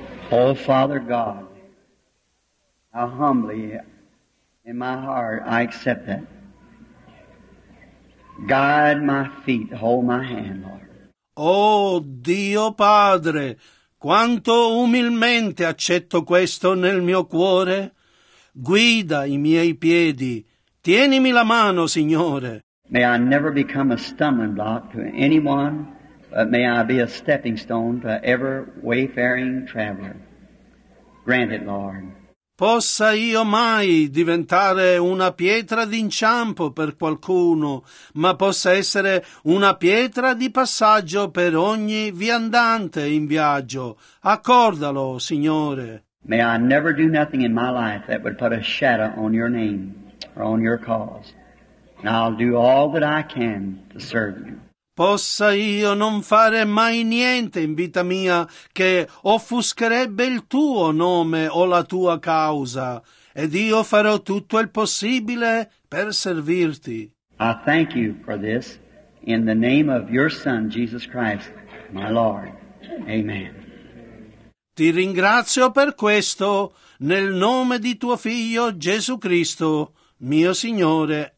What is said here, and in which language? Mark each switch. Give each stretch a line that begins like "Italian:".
English: Oh, Father God, how humbly in my heart I accept that. Guide my feet, hold my hand, Lord.
Italian: Oh, Dio Padre, quanto umilmente accetto questo nel mio cuore. Guida i miei piedi, tienimi la mano, Signore.
English: May I never become a stumbling block to anyone, but may I be a stepping stone to every wayfaring traveler. Grant it, Lord.
Italian: Possa io mai diventare una pietra d'inciampo per qualcuno, ma possa essere una pietra di passaggio per ogni viandante in viaggio. Accordalo, Signore.
English: May I never do nothing in my life that would put a shadow on your name or on your cause. And I'll do all that I can to serve you.
Italian: Possa io non fare mai niente in vita mia che offuscherebbe il tuo nome o la tua causa, ed io farò tutto il possibile per servirti.
English: I thank you for this in the name of your Son, Jesus Christ, my Lord. Amen.
Italian: Ti ringrazio per questo nel nome di tuo Figlio, Gesù Cristo, mio Signore.